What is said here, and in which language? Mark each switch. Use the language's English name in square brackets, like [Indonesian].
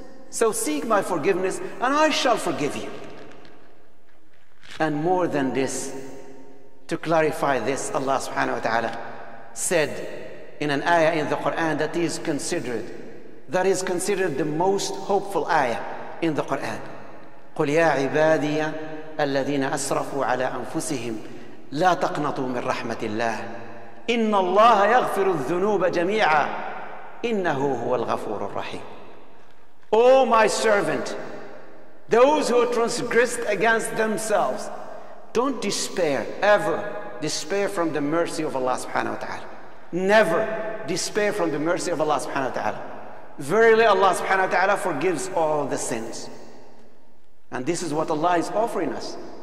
[English] So seek my forgiveness and I shall forgive you. And more than this, to clarify this, Allah subhanahu wa ta'ala said in an ayah in the Quran that is considered the most hopeful ayah in the Quran. [Arabic] قُلْ يَا عِبَادِيَ الَّذِينَ أَسْرَفُوا عَلَىٰ أَنفُسِهِمْ لَا تَقْنَطُوا مِنْ رَحْمَةِ اللَّهِ إن الله يغفر الذنوب جميعا إنه هو الغفور الرحيم. [English] O my servant, those who transgressed against themselves, don't despair, ever despair from the mercy of Allah subhanahu wa ta'ala. Never despair from the mercy of Allah subhanahu wa ta'ala. Verily Allah subhanahu wa ta'ala forgives all the sins. And this is what Allah is offering us.